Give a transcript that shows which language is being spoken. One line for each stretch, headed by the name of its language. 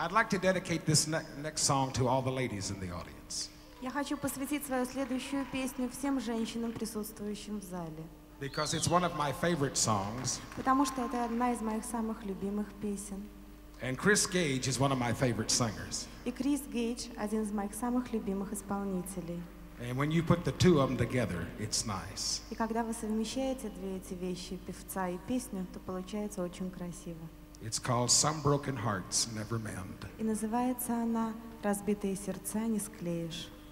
English: To dedicate this next song to all the ladies in the audience.
Russian: Я хочу посвятить свою следующую песню всем женщинам, присутствующим в зале.
English: Because it's one of my favorite songs.
Russian: Потому что это одна из моих самых любимых песен.
English: And Chris Gage is one of my favorite singers.
Russian: И Крис Гейдж один из моих самых любимых исполнителей.
English: And when you put the two of them together, it's nice.
Russian: И когда вы совмещаете две эти вещи, певца и песню, то получается очень красиво.
English: It's called Some Broken Hearts Never Mend.
Russian: И называется она «Разбитые сердца не склеишь».